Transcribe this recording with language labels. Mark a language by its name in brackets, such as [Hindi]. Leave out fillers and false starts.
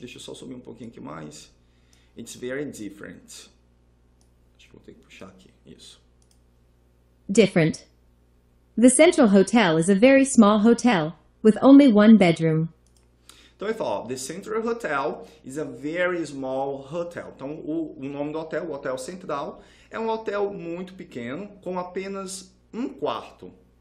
[Portuguese] Deixa eu só subir um pouquinho aqui mais. [English] It's very different. [Portuguese] Acho que vou ter que puxar aqui, isso. [English] Different. The central hotel is a very small hotel with only one bedroom. [Portuguese] Então ele fala, [English] the central hotel is a very small hotel. [Portuguese] Então o nome do hotel, o hotel central, é um hotel muito pequeno com apenas um quarto.